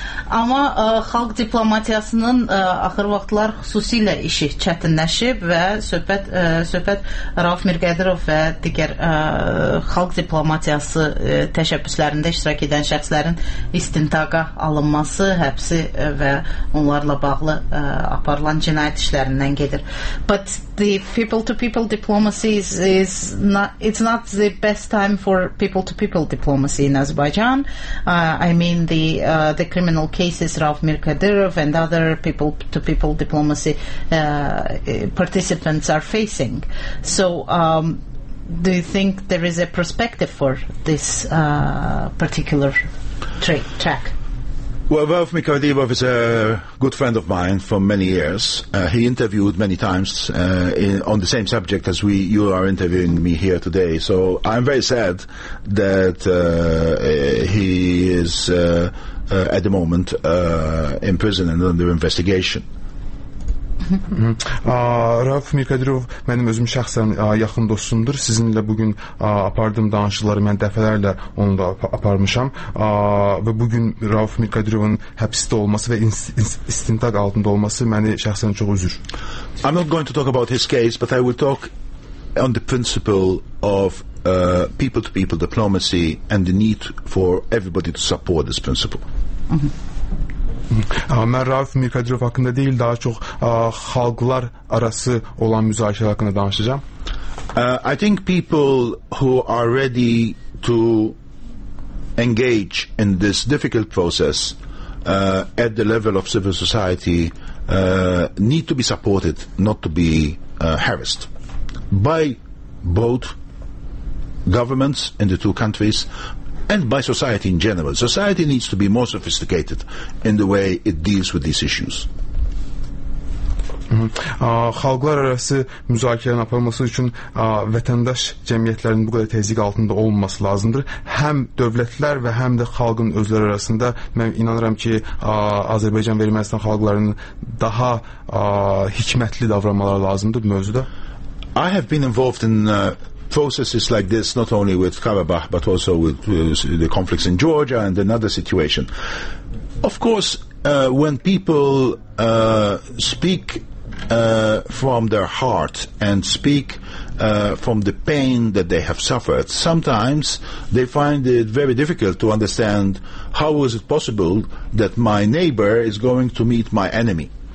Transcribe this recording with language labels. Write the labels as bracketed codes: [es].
[az] Amma xalq diplomatiyasının axır vaxtlar xüsusilə işi çətinləşib və söhbət Rauf Mirqədirov və digər xalq diplomatiyası təşəbbüslərində iştirak edən şəxslərin istintaqa alınması, həbsi və onlarla bağlı aparılan cinayət işlərindən gedir. [en] But the people-to-people diplomacy it's not the best time for people-to-people diplomacy in Azerbaijan. I mean the criminal cases, Rauf Mirqədirov and other people-to-people diplomacy participants are facing. So do you think there is a perspective for this particular track? Well, Rauf Mirqədirov is a good friend of mine for many years. He interviewed many times on the same subject as you are interviewing me here today. So I'm very sad that he is at the moment in prison and under investigation. [az] Rauf Mirqədirov mənim özüm şəxsən yaxın dostumdur. Sizinlə bugün apardığım danışıqları mən dəfələrlə onu da aparmışam. Və bugün Rauf Mirqədirovun həbsdə olması və istintaq altında olması məni şəxsən çox üzür. [en] I'm not going to talk about his case, but I will talk on the principle of people-to-people diplomacy and the need for everybody to support this principle. [az] Mən Rauf Mirkadirov haqqında deyil, daha çox xalqlar arası olan müzakirələr haqqında danışacağım. [en] I think people who are ready to engage in this difficult process at the level of civil society need to be supported, not to be harassed by both governments in the two countries and by society in general. Society needs to be more sophisticated in the way it deals with these issues. [az] Xalqlar arası müzakirələrin aparılması üçün vətəndaş cəmiyyətlərinin bu qədər təzyiq altında olmaması lazımdır. Həm dövlətlər və həm də xalqın özləri arasında mən inanıram ki, Azərbaycan və Ermənistan xalqlarının daha hikmətli davranmaları lazımdır bu mövzuda. [en] I have been involved in processes like this not only with Karabakh but also with the conflicts in Georgia and another situation. Of course, when people speak from their heart and speak from the pain that they have suffered, sometimes they find it very difficult to understand how is it possible that my neighbor is going to meet my enemy.